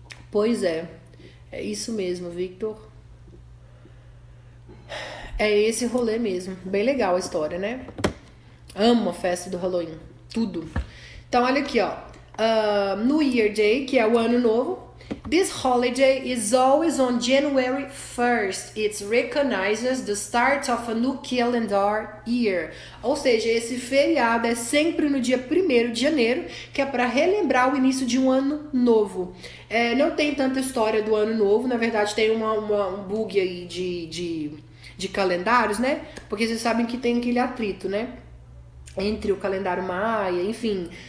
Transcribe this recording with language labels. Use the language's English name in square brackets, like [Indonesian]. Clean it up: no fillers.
[Portuguese] Pois é. É isso mesmo, Victor. É esse rolê mesmo. Bem legal a história, né? Amo a festa do Halloween. Tudo. Então, olha aqui, ó. New Year Day, que é o ano novo. [English] This holiday is always on January 1st. It recognizes the start of a new calendar year. [Portuguese] Ou seja, esse feriado é sempre no dia 1º de janeiro, que é para relembrar o início de um ano novo. Não tem tanta história do ano novo, na verdade tem um bug aí de calendários, né? Porque vocês sabem que tem aquele atrito, né? Entre o calendário Maia, enfim.